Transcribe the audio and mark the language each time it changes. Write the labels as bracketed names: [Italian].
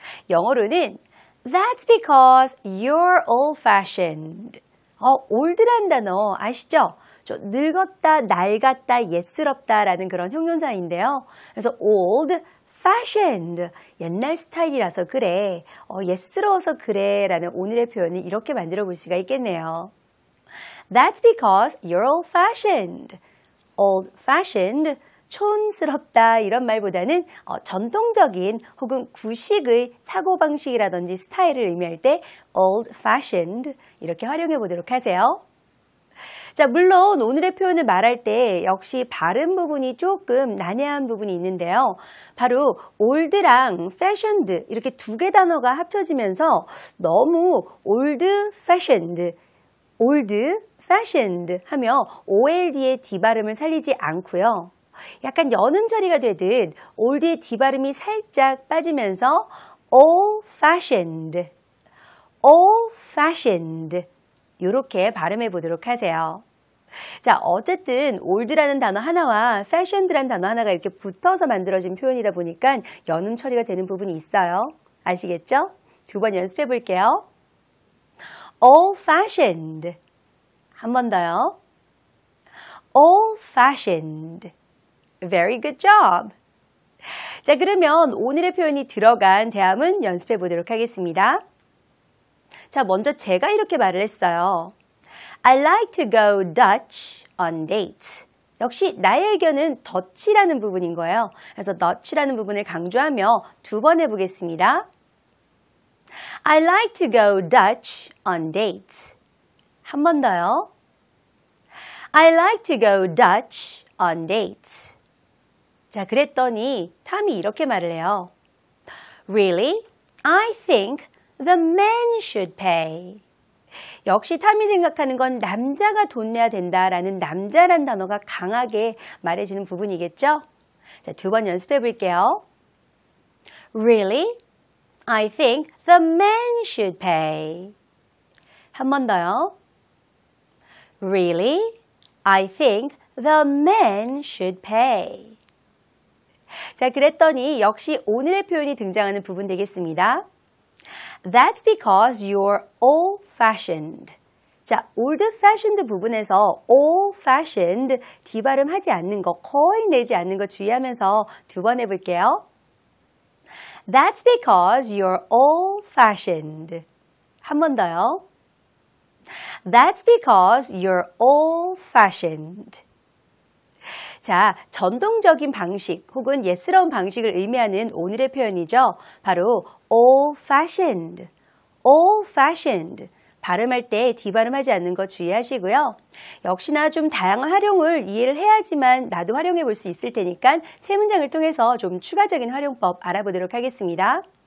[Korean] 영어로는 [English] That's because you're old-fashioned. [Korean] old란 단어 아시죠? 저 늙었다, 낡았다, 옛스럽다라는 그런 형용사인데요. 그래서 old, fashioned, 옛날 스타일이라서 그래, 옛스러워서 그래 라는 오늘의 표현을 이렇게 만들어 볼 수가 있겠네요. [English] That's because you're old-fashioned. [Korean] old-fashioned, 촌스럽다 이런 말보다는 전통적인 혹은 구식의 사고방식이라든지 스타일을 의미할 때 old-fashioned 이렇게 활용해 보도록 하세요. 자, 물론 오늘의 표현을 말할 때 역시 발음 부분이 조금 난해한 부분이 있는데요. 바로 old랑 fashioned 이렇게 두 개 단어가 합쳐지면서 너무 old fashioned, old fashioned 하며 old의 d 발음을 살리지 않고요. 약간 연음 처리가 되듯 old의 d 발음이 살짝 빠지면서 old-fashioned, old-fashioned 이렇게 발음해 보도록 하세요. 자, 어쨌든 old라는 단어 하나와 fashioned라는 단어 하나가 이렇게 붙어서 만들어진 표현이다 보니까 연음 처리가 되는 부분이 있어요. 아시겠죠? 두 번 연습해 볼게요. old-fashioned 한 번 더요. [English] old-fashioned Very good job! [Korean] 자, 그러면 오늘의 표현이 들어간 대화문 연습해 보도록 하겠습니다. 자, 먼저 제가 이렇게 말을 했어요. [English] I like to go Dutch on dates. [Korean] 역시 나의 의견은 Dutch라는 부분인 거예요. 그래서 Dutch라는 부분을 강조하며 두 번 해보겠습니다. [English] I like to go Dutch on dates. [Korean] 한 번 더요. [English] I like to go Dutch on dates. [Korean] 자, 그랬더니 탐이 이렇게 말을 해요. [English] Really? I think the man should pay. [Korean] 역시 탐이 생각하는 건 남자가 돈 내야 된다라는 남자란 단어가 강하게 말해지는 부분이겠죠? 자, 두 번 연습해 볼게요. Really? [English] I think the man should pay. [Korean] 한 번 더요. [English] Really? I think the man should pay. [Korean] 자, 그랬더니 역시 오늘의 표현이 등장하는 부분 되겠습니다. [English] That's because you're old-fashioned. [Korean] 자, old-fashioned 부분에서 old-fashioned 뒤 발음하지 않는 거, 거의 내지 않는 거 주의하면서 두 번 해볼게요. [English] That's because you're old-fashioned. [Korean] 한 번 더요. [English] That's because you're old-fashioned. [Korean] 자, 전통적인 방식 혹은 옛스러운 방식을 의미하는 오늘의 표현이죠. 바로 old-fashioned. [English] old-fashioned. [Korean] 발음할 때 뒤발음하지 않는 거 주의하시고요. 역시나 좀 다양한 활용을 이해를 해야지만 나도 활용해 볼 수 있을 테니까 세 문장을 통해서 좀 추가적인 활용법 알아보도록 하겠습니다.